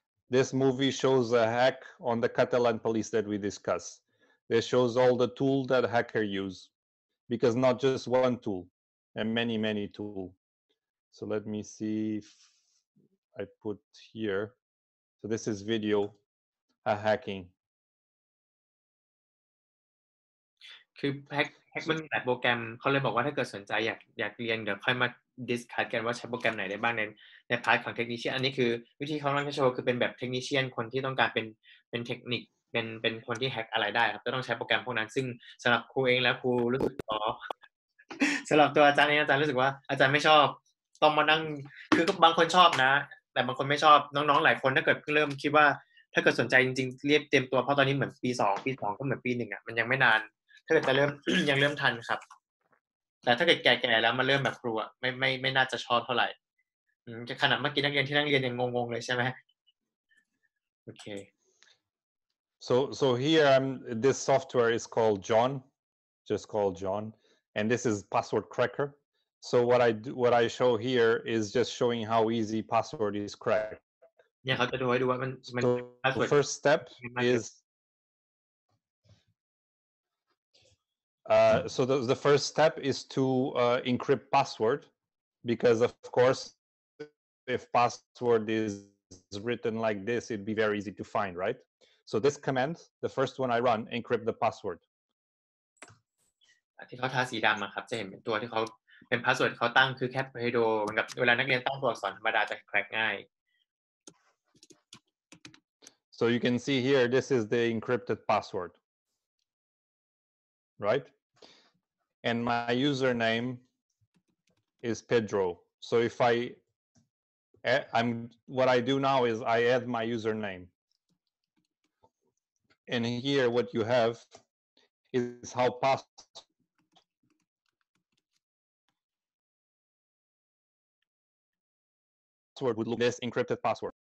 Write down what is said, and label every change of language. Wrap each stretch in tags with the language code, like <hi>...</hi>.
<en>This movie shows a hack on the Catalan police that we discuss. It shows all the tool that hacker use because not just one tool and many, many tool. So let me see if... I put here, so this is video, a hacking.</en> <th>คือแฮกมันมีหลายโปรแกรมเขาเลยบอกว่าถ้าเกิดสนใจอยากเรียนเดี๋ยวค่อยมาดิสคัสกันว่าใช้โปรแกรมไหนได้บ้างในพาร์ทของเทคนิคเชียนอันนี้คือวิธีเขาลองโชว์คือเป็นแบบเทคนิคเชียนคนที่ต้องการเป็นเทคนิคเป็นคนที่แฮกอะไรได้ครับจะต้องใช้โปรแกรมพวกนั้นซึ่งสำหรับครูเองแล้วครูรู้สึกว่าสำหรับตัวอาจารย์เองอาจารย์รู้สึกว่าอาจารย์ไม่ชอบ ต้องมานั่งคือบางคนชอบนะแต่บางคนไม่ชอบน้องๆหลายคนถ้าเกิดเพิ่งเริ่มคิดว่าถ้าเกิดสนใจจริงๆเรียบเตรียมตัวเพราะตอนนี้เหมือนปี2ปี2ก็เหมือนปี1อ่ะมันยังไม่นานถ้าเกิดจะเริ่ม ยังเริ่มทันครับแต่ถ้าเกิดแก่ๆแล้วมาเริ่มแบบครูอ่ะไม่น่าจะชอบเท่าไหร่อืมจะขนาดเมื่อกี้นักเรียนที่นั่งเรียนยังงงๆเลยใช่มั้ยโอเค</th> <en>So here this software is called John just called John and this is password crackerSo what I show here is just showing how easy password is cracked. Yeah, how do I do it? So the first step is so the first step is to encrypt password, because of course, if password is written like this, it'd be very easy to find, right? So this command, the first one I run, encrypt the password.</en> <th>ที่เขาทาสีดำอะครับจะเห็นเป็นตัวที่เขาเป็นพาสเวิร์ดเขาตั้งคือแคปไฮโดเหมือนกับเวลานักเรียนตั้งตัวอักษรธรรมดาจะแคร็กง่าย</th> <en>So you can see here this is the encrypted password right and my username is Pedro so if I'm what I do now is I add my username and here what you have is how passwordPassword would look this encrypted password.</en>